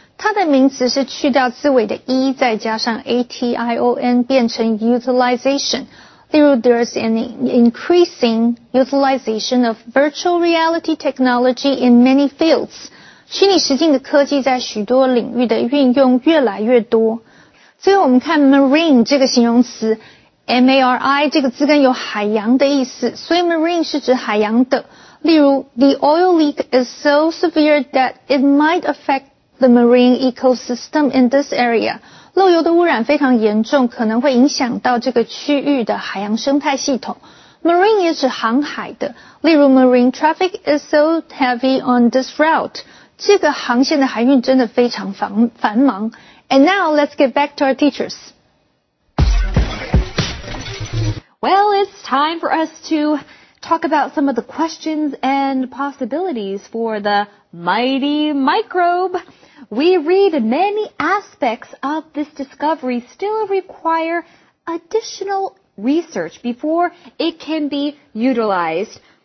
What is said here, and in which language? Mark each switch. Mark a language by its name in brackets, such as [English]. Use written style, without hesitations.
[Chinese] 它的名词是去掉字尾的 e 再加上 ation 变成 utilization, 例如 [English] there's an increasing utilization of virtual reality technology in many fields, [Chinese] 虚拟实境的科技在许多领域的运用越来越多。最后我们看 marine 这个形容词， MARI 这个字根有海洋的意思，所以 marine 是指海洋的， [English] 例如 the oil leak is so severe that it might affect the marine ecosystem in this area. [Chinese] 漏油的污染非常严重，可能会影响到这个区域的海洋生态系统。 [English] Marine [Chinese] 也指航海的，例如 [English] marine traffic is so heavy on this route. [Chinese] 这个航线的海运真的非常繁忙。 [English] And now let's get back to our teachers. Well, it's time for us to talk about some of the questions and possibilities for the mighty microbe. We read many aspects of this discovery still require additional research before it can be utilized.